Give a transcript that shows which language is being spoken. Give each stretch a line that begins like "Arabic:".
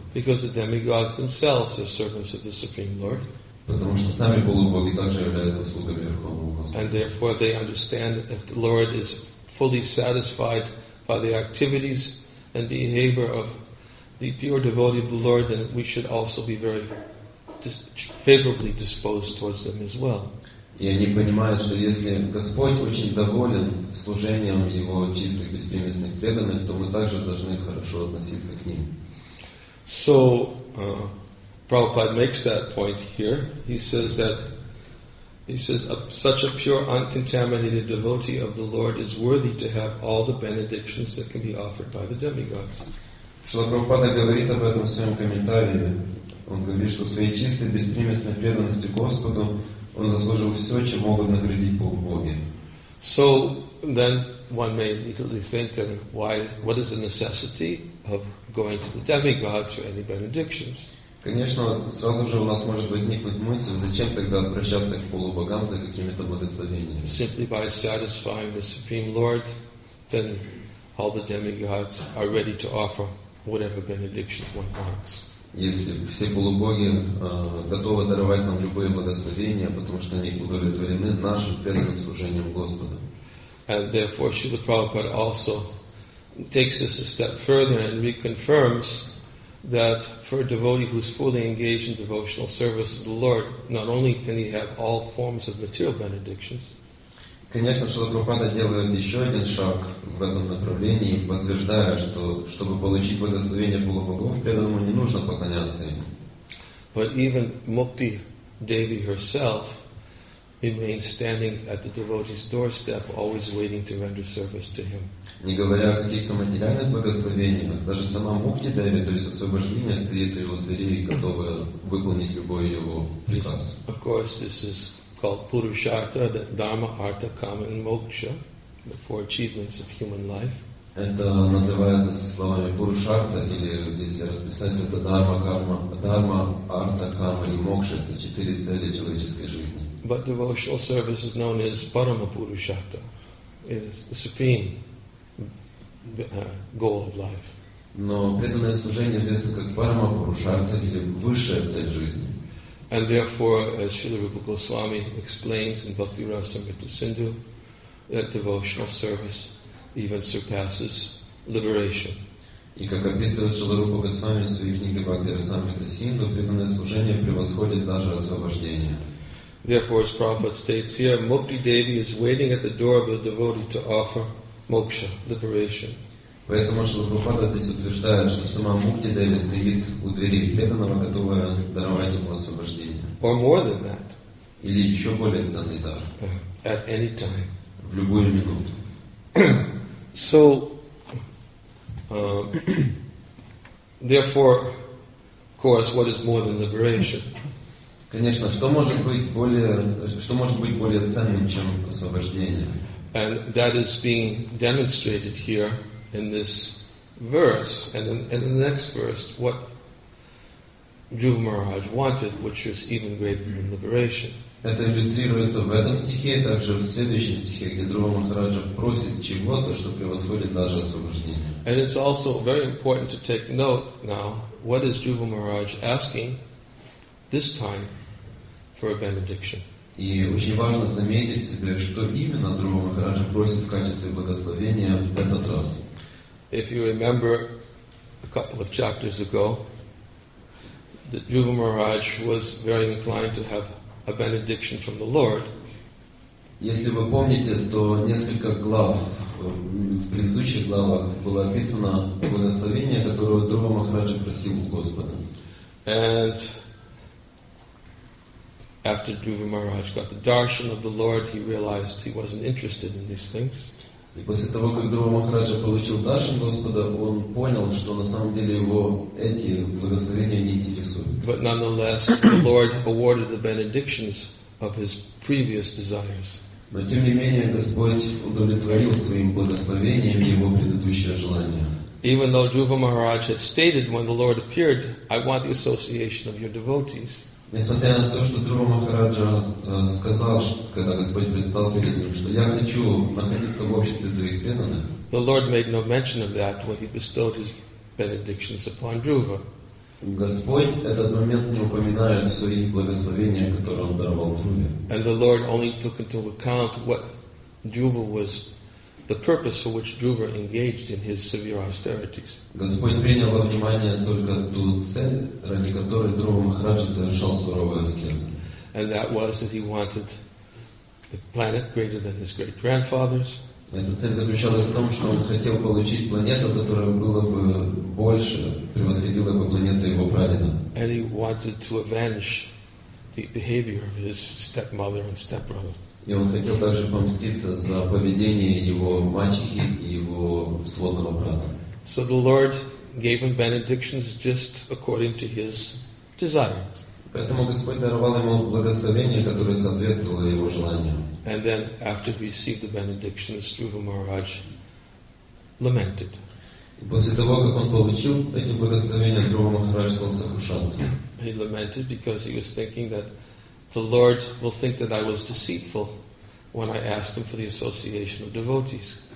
English: Because the demigods themselves are servants of the Supreme Lord.
Russian: Потому что сами полубоги также являются слугами Верховного Господа.
English: And therefore they understand that if the Lord is fully satisfied by the activities and behavior of the pure devotee of the Lord, then we should also be very favorably disposed towards them as well.
Russian: И они понимают, что если Господь очень доволен служением Его чистых, беспримесных преданных, то мы также должны хорошо относиться к ним.
English: So, Prabhupada makes that point here. He says, such a pure, uncontaminated devotee of the Lord is worthy to have all the benedictions that can be offered by the demigods.
Russian: Шрила Прабхупада говорит об этом в своем комментарии. Он говорит, что своей чистой, беспримесной преданностью Господу он заслужил все, чем могут наградить Бог Боги.
English: So then one may immediately think that why, what is the necessity of going to the demigods for any benedictions?
Russian: Конечно, сразу же у нас может возникнуть мысль, зачем тогда обращаться к полубогам за какими-то благословениями.
English: Simply by satisfying the Supreme Lord, then all the demigods are ready to offer whatever benedictions one wants.
Russian: Если все полубоги готовы даровать нам любые благословения, потому что они удовлетворены нашим преданным служением Господу.
English: And therefore Srila Prabhupada also takes this a step further and reconfirms that for a devotee who is fully engaged in devotional service of the Lord, not only can he have all forms of material benedictions.
Russian: Конечно, Шрила Прабхупада делает еще один шаг в этом направлении, подтверждая, что чтобы получить благословение полубогов, преданному не нужно поклоняться им.
English: But even Mukti Devi herself remains standing at the devotee's doorstep, always waiting to render service to him.
Russian: Не говоря о каких-то материальных благословениях, даже сама Мукти Деви, то есть освобождение, стоит у его двери и готова выполнить любой его приказ.
English: Of course, this is called Purushartha, the Dharma, Artha, Kama and Moksha, the four achievements of human life.
Russian: Это называется словами Пурушарта, или если расписать, это Дарма, Карма, Дарма, Артха, Карма и Мокша, это четыре цели человеческой жизни.
English: But devotional service is known as Parama Purushartha, is the supreme goal of life.
Russian: Но преданное служение известно как Парама Пурушарта, или высшая цель жизни.
English: And therefore, as Srila Rupa Goswami explains in Bhakti Rasamrita Sindhu, that devotional service even surpasses liberation.
Russian: И как описывает Шрила Рупа Госвами в своей книге Бхакти Расамрита Синдху, преданное служение превосходит даже освобождение.
English: Therefore, as Prabhupada states here, Mukti Devi is waiting at the door of the devotee to offer moksha, liberation.
Russian: Поэтому Шрила Прабхупада здесь утверждает, что сама Мукти Деви стоит у двери преданного, готовая даровать ему освобождение.
English: Or more than that.
Russian: Или еще более ценный дар.
English: At any time.
Russian: В любую минуту.
English: So, therefore, of course, what is more than liberation?
Russian: Конечно, что может быть более ценным, чем освобождение?
English: And that is being demonstrated here in this verse, and in the next verse, what Dhruva Maharaj wanted, which is even greater than liberation.
Russian: Это иллюстрируется в этом стихе, и также в следующем стихе, где Друва Махараджа просит чего-то, что превосходит даже освобождение.
English: And it's also very important to take note now, what is Dhruva Maharaj asking this time for a benediction?
Russian: И очень важно заметить себе, что именно Друва Махараджа просит в качестве благословения в этот раз.
English: If you remember a couple of chapters ago, that Dhruva Maharaj was very inclined to have a benediction from the Lord.
Russian: Если вы помните, то несколько глав в предыдущих главах было описано благословение, которое Друва Махараджа просил у Господа.
English: And after Dhruva Maharaj got the darshan of the Lord, he realized he wasn't interested in these things.
Russian: И после того, как Друва Махараджа получил даршан Господа, он понял, что на самом деле его эти благословения не интересуют.
English: But nonetheless, the Lord awarded the benedictions of his previous desires.
Russian: Но тем не менее, Господь удовлетворил своим благословением его предыдущее желание.
English: Even though Dhruva Maharaj had stated when the Lord appeared, I want the association of your devotees.
Russian: Несмотря на то, что Друва Махараджа сказал, когда Господь предстал перед ним, что я хочу находиться в обществе твоих преданных.
English: The Lord made no mention of that when he bestowed his benedictions upon Dhruva.
Russian: Господь этот момент не упоминает в своих благословениях, которые он даровал Дрюве.
English: And the Lord only took into account what Dhruva was, the purpose for which Dhruva engaged in his severe austerities.
Russian: Господь принял во внимание только ту цель, ради которой Друва Махараджа совершал суровые аскезы.
English: And that was that he wanted the planet greater than his great grandfather's.
Russian: Эта цель заключалась в том, что он хотел получить планету, которая была бы больше, превосходила бы планету его прадеда.
English: And he wanted to avenge the behavior of his stepmother and stepbrother.
Russian: И он хотел также помститься за поведение его мачехи и его сводного брата.
English: So the Lord gave him benedictions just according to his desires.
Russian: Поэтому Господь даровал ему благословение, которое соответствовало его желанию.
English: And then after he received the benedictions, Dhruva Maharaj lamented.
Russian: И после того, как он получил эти благословения, Дхрува Махарадж стал сокрушаться.
English: He lamented because he was thinking that the Lord will think that I was deceitful when I asked him for the association of devotees.